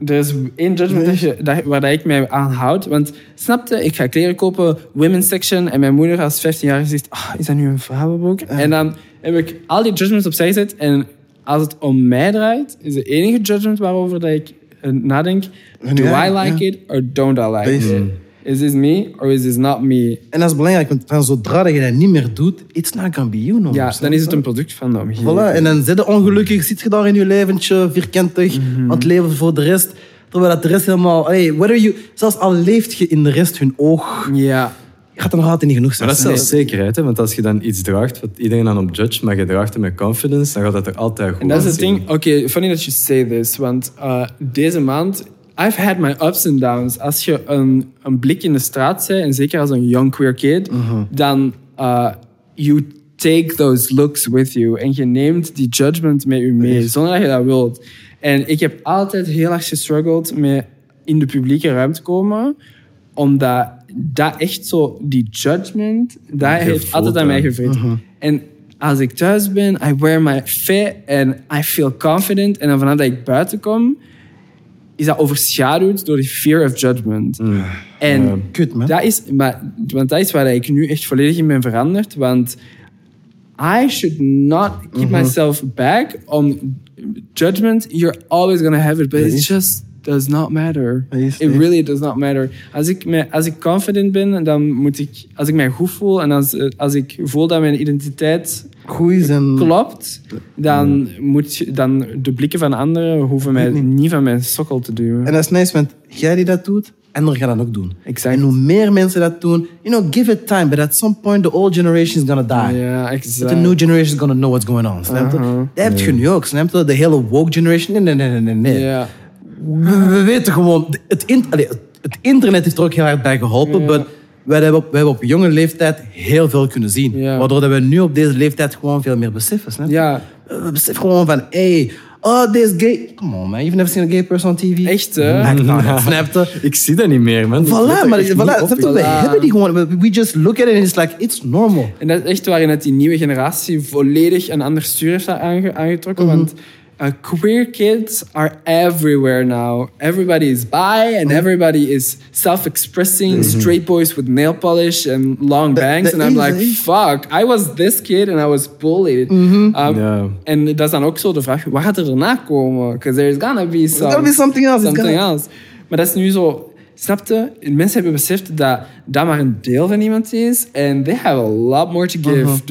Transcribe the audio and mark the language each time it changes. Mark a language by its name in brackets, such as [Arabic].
[Dutch] Er is één judgment waar ik mij aan houd. Want snap je, ik ga kleren kopen, [English] women's section. [Dutch] En mijn moeder als 15 jaar zegt, oh, is dat nu een vrouwenboek? En dan heb ik al die judgments opzij gezet en... Als het om mij draait, is de enige judgment waarover dat ik nadenk. [English] Do I like it or don't I like it? Is this me or is this not me? [Dutch] En dat is belangrijk, want zodra je dat niet meer doet, [English] it's not gonna be you no more. [Dutch] Ja, dan is het een product van de omgeving. Voilà, en dan zit je ongelukkig, zit je daar in je leventje, vierkantig, aan het leven voor de rest. Terwijl dat de rest helemaal... [English] Hey, what are you, [Dutch] zelfs al leeft je in de rest hun oog... Ja. Gaat er nog altijd niet genoeg zijn. Maar dat is zelfs zekerheid, hè? Want als je dan iets draagt wat iedereen dan op judge, maar je draagt het met confidence, dan gaat dat er altijd goed. En dat is het ding. [English] Oké, funny that you say this, [Dutch] want deze maand, [English] I've had my ups and downs. [Dutch] Als je een blik in de straat zet, en zeker als een [English] young queer kid, [Dutch] dan [English] you take those looks with you [Dutch] en je neemt die judgment met je mee, zonder dat je dat wilt. En ik heb altijd heel erg gestruggeld met in de publieke ruimte komen, omdat dat echt zo, die judgment, dat heeft altijd aan mij gevreden. En als ik thuis ben, [English] I wear my fit and I feel confident. [Dutch] En dan vanaf dat ik buiten kom, is dat overschaduwd door die [English] fear of judgment. [Dutch] En kut, man. Dat is waar ik nu echt volledig in ben veranderd. [English] Want I should not keep myself back on judgment. You're always gonna have it, but it's just... does not matter. It really does not matter. [Dutch] Als ik confident ben, dan moet ik... Als ik mij goed voel en als ik voel dat mijn identiteit goed is en klopt, dan moet je, dan de blikken van anderen hoeven mij niet van mijn sokkel te duwen. En dat is nice, want jij die dat doet, anderen gaan dat ook doen. Exact. En hoe meer mensen dat doen, [English] you know, give it time. But at some point, the old generation is gonna die. [Dutch] Ja, exact. [English] But the new generation is gonna know what's going on. [Dutch] Snap je? Dat heb je nu ook. Snap je? De hele woke generation. Nee. Ja. We weten gewoon... Het internet heeft er ook heel hard bij geholpen. Maar we hebben op jonge leeftijd heel veel kunnen zien. [English] Yeah. [Dutch] Waardoor dat we nu op deze leeftijd gewoon veel meer beseffen. [English] Yeah. [Dutch] We beseffen gewoon van... Hey, oh, deze gay... [English] Come on, man. You've never seen a gay person on TV? [Dutch] Echt, hè? Snap je? Ik zie dat niet meer, man. Voilà, we hebben die gewoon... [English] We just look at it and it's like, it's normal. [Dutch] En dat is echt waarin die nieuwe generatie volledig een ander stuur heeft aangetrokken. [English] Want... queer kids are everywhere now. Everybody is bi and everybody is self-expressing. Mm-hmm. Straight boys with nail polish and long bangs. And I'm like, fuck. I was this kid and I was bullied. Mm-hmm. [Dutch] En dat is dan ook zo de vraag. Wat gaat er daarna komen? [English] Because there's gonna be something else. [Dutch] Maar dat is nu zo... Snap je? Mensen hebben beseft dat dat maar een deel van iemand is. [English] And they have a lot more to give.